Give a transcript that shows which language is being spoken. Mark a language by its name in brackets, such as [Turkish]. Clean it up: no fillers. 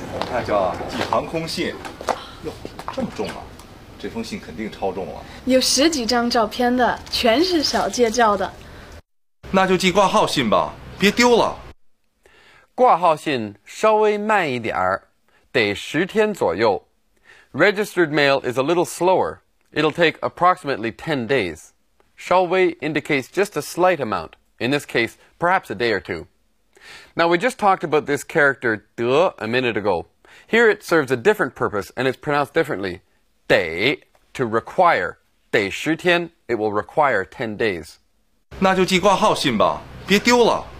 [Chinese] 那叫寄航空信。哟，这么重啊！这封信肯定超重了。有十几张照片的，全是小介照的。那就寄挂号信吧，别丢了。挂号信稍微慢一点儿，得十天左右。 [English] Registered mail is a little slower. It'll take approximately 10 days. 稍微 indicates just a slight amount. In this case, perhaps a day or two. Now, we just talked about this character, 得, a minute ago. Here it serves a different purpose, and it's pronounced differently. 得, to require. 得十天, it will require 10 days. [Chinese] 那就寄挂号信吧,别丢了。